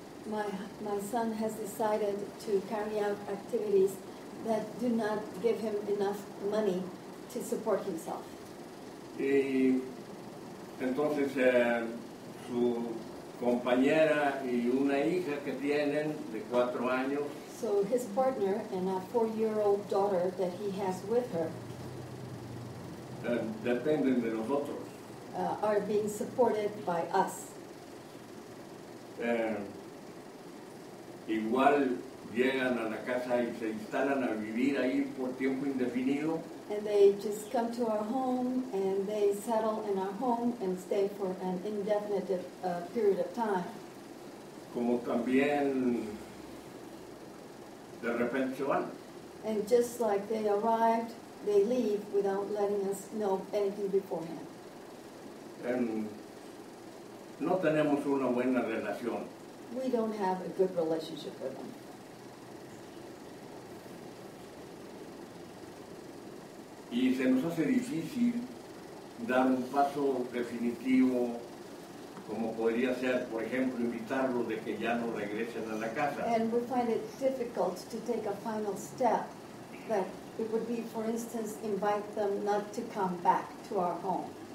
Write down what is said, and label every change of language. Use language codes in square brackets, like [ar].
[en] My son has decided to carry out activities that do not give him enough money to support himself. [es] Y entonces su compañera y una hija que tienen de 4 años. [en] So his partner and a 4-year-old daughter that he has with her [es] dependen de nosotros. [en] Are being supported by us. [es] Igual llegan a la casa y se instalan a vivir ahí por tiempo indefinido. [en] And they just come to our home and they settle in our home and stay for an indefinite period of time. [es] Como también de repente se van. [en] And just like they arrived, they leave without letting us know anything beforehand. [es] No tenemos una buena relación. [en] We don't have a good relationship with them. [es] Y se nos hace difícil dar un paso definitivo, como podría ser, por ejemplo, invitarlo de que ya no regresen a la casa. [en] And we find it difficult to take a final step, that it would be, for instance, invite them not to come back to our home.